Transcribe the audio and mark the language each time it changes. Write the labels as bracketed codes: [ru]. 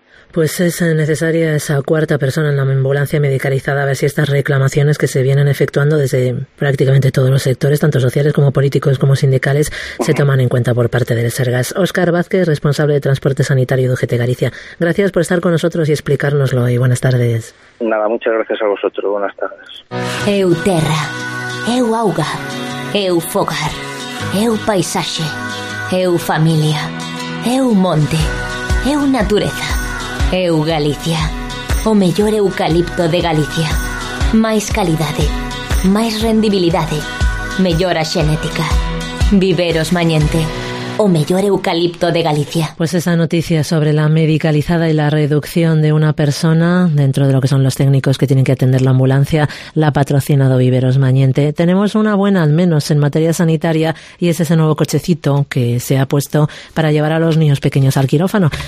[es] Pues es necesaria esa cuarta persona en la ambulancia medicalizada, a ver si estas reclamaciones que se vienen efectuando desde prácticamente todos los sectores, tanto sociales como políticos como sindicales, se toman en cuenta por parte del Sergas. Óscar Vázquez, responsable de transporte sanitario de UGT Galicia, gracias por estar con nosotros y explicárnoslo, y buenas tardes. Nada, muchas gracias a vosotros, buenas tardes. [gl] Eu terra, eu auga, eu fogar, eu paisaxe, eu familia, eu monte, eu natureza. Eu Galicia, o mellor eucalipto de Galicia. Máis calidade, máis rendibilidade, mellora xenética. Viveros Mañente, o mellor eucalipto de Galicia. [es] Pues esa noticia sobre la medicalizada y la reducción de una persona dentro de lo que son los técnicos que tienen que atender la ambulancia, la ha patrocinado Viveros Mañente. Tenemos una buena, al menos en materia sanitaria, y es ese nuevo cochecito que se ha puesto para llevar a los niños pequeños al quirófano.